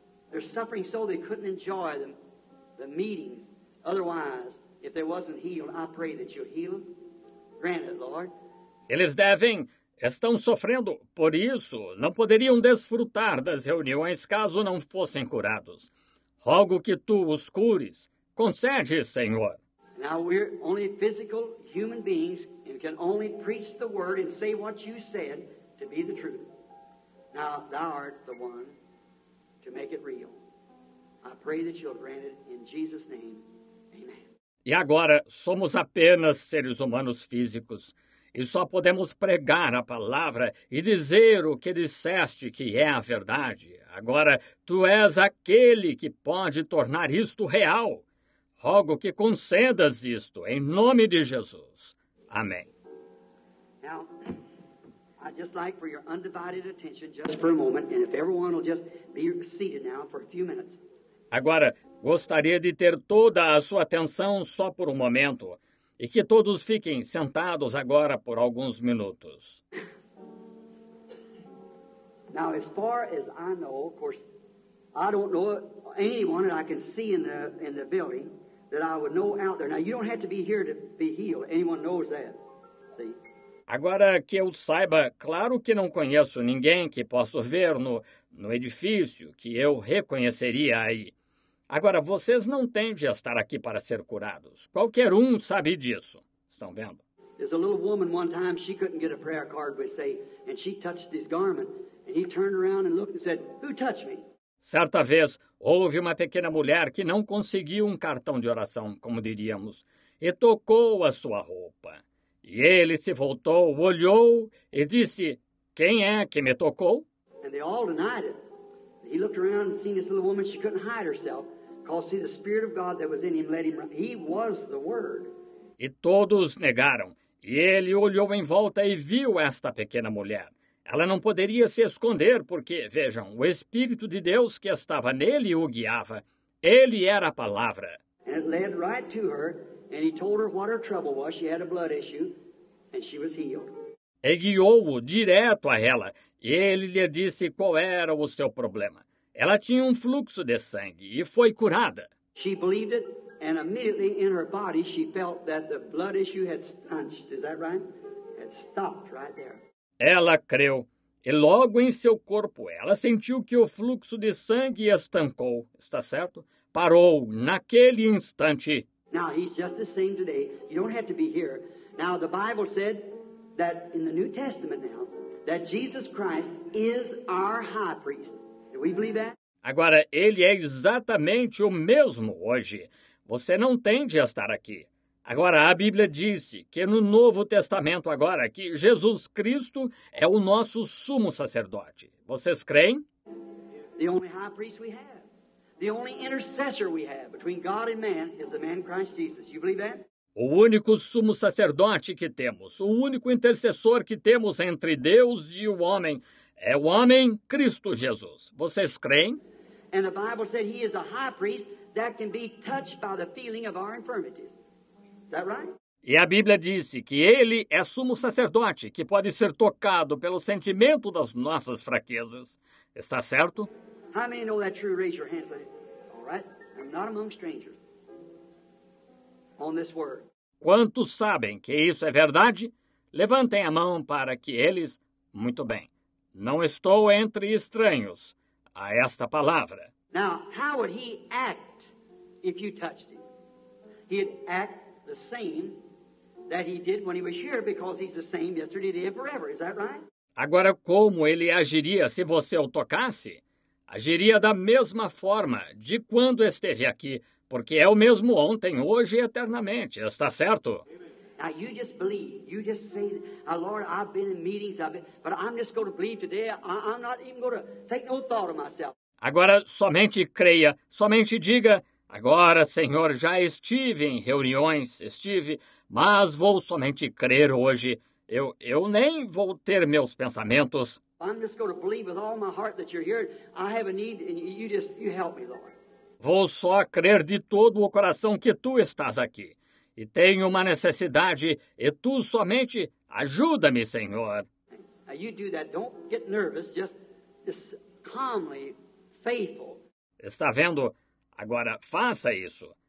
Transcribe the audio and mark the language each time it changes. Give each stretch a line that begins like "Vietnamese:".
English: They're suffering so they couldn't enjoy the meetings. Otherwise, if they wasn't healed, I pray that you'll heal them. Grant it, Lord.
Portuguese: Eles estão sofrendo, por isso, não poderiam desfrutar das reuniões caso não fossem curados. Rogo que tu os cures. Concede, Senhor.
English: Now we're only physical human beings and can only preach the word and say what you said to be the truth. Now thou art the one to make it real. I pray that you'll grant it in Jesus' name.
Portuguese: E agora somos apenas seres humanos físicos e só podemos pregar a palavra e dizer o que disseste que é a verdade. Agora tu és aquele que pode tornar isto real. Rogo que concedas isto em nome de Jesus. Amém.
English: Now, I'd just like for your undivided attention just for a moment, and if everyone will just be seated now for a few minutes.
Portuguese: Agora, gostaria de ter toda a sua atenção só por um momento e que todos fiquem sentados agora por alguns minutos.
English: Now, as far as I know, of course, I don't know anyone that I can see in the building that I would know out there. Now, you don't have to be here to be healed. Anyone knows that. See?
Portuguese: Agora que eu saiba, claro que não conheço ninguém que posso ver no edifício que eu reconheceria aí. Agora, vocês não têm de estar aqui para ser curados. Qualquer um sabe disso. Estão vendo?
English: There's a little woman one time, she couldn't get a prayer card, we say, and she touched his garment. And he turned around and looked and said, who touched me?
Portuguese: Certa vez, houve uma pequena mulher que não conseguiu um cartão de oração, como diríamos, e tocou a sua roupa. E ele se voltou, olhou e disse, quem é que me tocou?
English: And they all denied it. He looked around and seen this little woman. She couldn't hide herself. Because, see, the Spirit of God that was in him led him. He was the Word.
Portuguese: E todos negaram. E ele olhou em volta e viu esta pequena mulher. Ela não poderia se esconder porque, vejam, o Espírito de Deus que estava nele o guiava. Ele era a palavra.
English: And it led right to her. And he told her what her trouble was. She had a blood issue. And she was healed.
Portuguese: E guiou-o direto a ela. E ele lhe disse qual era o seu problema. Ela tinha um fluxo de sangue e foi curada.
English: She believed it, and immediately in her body she felt that the blood issue had stunched. Is that right? Had stopped right there.
Portuguese: Ela creu. E logo em seu corpo ela sentiu que o fluxo de sangue estancou. Está certo? Parou naquele instante.
English: Now he's just the same today. You don't have to be here. Now the Bible said that in the New Testament now, that Jesus Christ is our high priest. Do we believe that?
Portuguese: Agora, ele é exatamente o mesmo hoje. Você não tem de estar aqui. Agora, a Bíblia disse que no Novo Testamento agora, que Jesus Cristo é o nosso sumo sacerdote. Vocês creem?
English: The only high priest we have. The only intercessor we have between God and man is the man Christ Jesus. You believe that?
Portuguese: O único sumo sacerdote que temos, o único intercessor que temos entre Deus e o homem, é o homem Cristo Jesus. Vocês creem?
English: And the Bible said he is a high priest that can be touched by the feeling of our infirmities. Is that right?
Portuguese: E a Bíblia disse que ele é sumo sacerdote que pode ser tocado pelo sentimento das nossas fraquezas. Está certo?
English: How many know that true? Raise your hand, please. All right? I'm not among strangers. On this word.
Portuguese: Quantos sabem que isso é verdade? Levantem a mão para que eles... Muito bem. Não estou entre estranhos a esta palavra.
English: Now, how would he act if you touched him? He'd act the same that he did when he was here because he's the same yesterday, today and forever. Is that right?
Portuguese: Agora, como ele agiria se você o tocasse? Agiria da mesma forma de quando esteve aqui. Porque é o mesmo ontem, hoje e eternamente. Está certo?
English: Now you just believe. You just say, Lord, I've been in meetings, but I'm just going to believe today. I'm not even going to take no thought of myself.
Portuguese: Agora somente creia. Somente diga. Agora, Senhor, já estive em reuniões. Estive. Mas vou somente crer hoje. Eu nem vou ter meus pensamentos.
English: I'm just going to believe with all my heart that you're here. I have a need and you help me, Lord.
Portuguese: Vou só crer de todo o coração que tu estás aqui. E tenho uma necessidade, e tu somente ajuda-me, Senhor.
English: You do that. Don't get nervous. Just calmly, faithful.
Portuguese: Está vendo? Agora, faça isso.